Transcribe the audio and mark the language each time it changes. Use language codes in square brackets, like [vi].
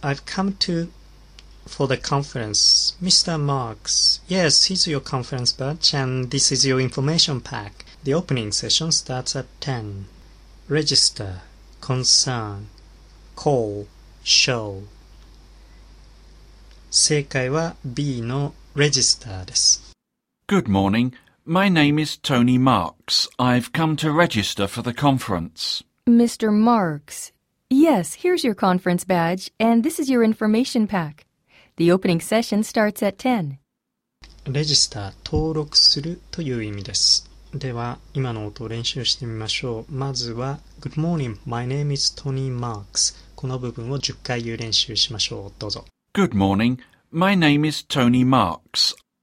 [en] I've come to for the conference. Mr. Marks, yes, here's your conference badge and this is your information pack. The opening session starts at 10. Register, concern, call, show. [ja] 正解は B の register です。 [en] Good morning. My name is Tony Marks. I've come to register for the conference. Mr. Marks, yes, here's your conference badge, and this is your information pack. The opening session starts at 10. [ja] Register, 登録するという意味です。では、今の音を練習してみましょう。 [en] まずは、Good morning, my name is Tony Marks. [ja] この部分を10回言う練習しましょう。どうぞ。 [en] Good morning, my name is Tony Marks.